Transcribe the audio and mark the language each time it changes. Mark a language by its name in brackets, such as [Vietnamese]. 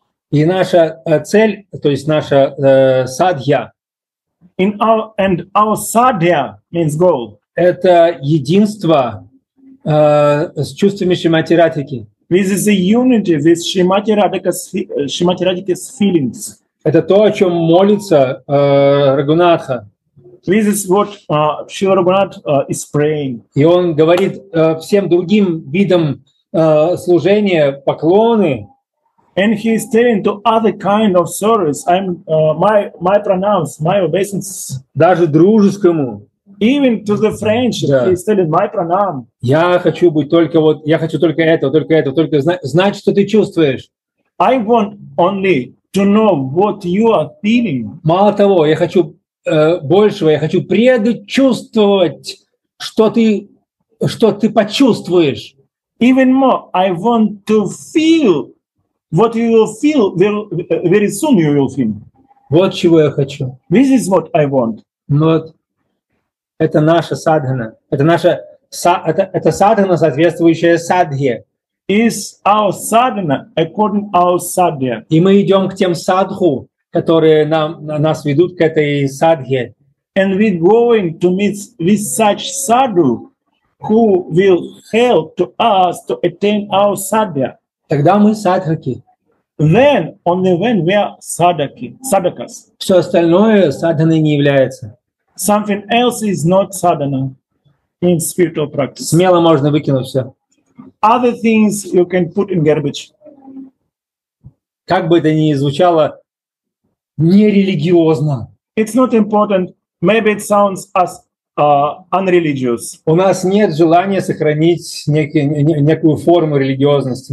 [Russian] И наша цель, то есть наша садхья. [English] And our садхья means goal. [Russian] Это единство с чувствами Шримати Радхики. [English] This is the unity with Shrimati Radhika's Shrimati Radhika's feelings. [Russian] Это то, о чем молится Рагунатха. [English] This is what Шрила Рагунатх is praying. [Russian] И он говорит всем другим видам служения, поклоны. [English] And he is telling to other kind of service. I'm my pronouns, my obeisance. [Russian] Даже дружескому. [English] Even to the friendship, да. He's telling my pronoun. [Russian] Я хочу быть только вот, я хочу только это, только это, только знать, что ты чувствуешь. [English] I want only to know what you are feeling. [Russian] Мало того, я хочу большего, я хочу предчувствовать, что ты почувствуешь. [English] Even more, I want to feel what you will feel very soon. You will feel. [Russian] Вот чего я хочу. [English] This is what I want. [Russian] Вот. Это наша садхана. Это наша это садхана, соответствующая садхе. [English] Is our sadhana according our sadhya. [Russian] И мы идем к тем садху, которые нас ведут к этой садхе. [English] And we going to meet with such sadhu who will help to us to attain our sadhya. [Russian] Тогда мы садхаки. [English] Then only when we are sadhaki, sadhakas. [Russian] Все остальное садханой не является. [English] Something else is not sadhana in spiritual practice. [Russian] Смело можно выкинуть все. [English] Other things you can put in garbage. [Russian] Как бы это ни звучало нерелигиозно. [English] It's not important. Maybe it sounds as unreligious. [Russian] У нас нет желания сохранить некую форму религиозности.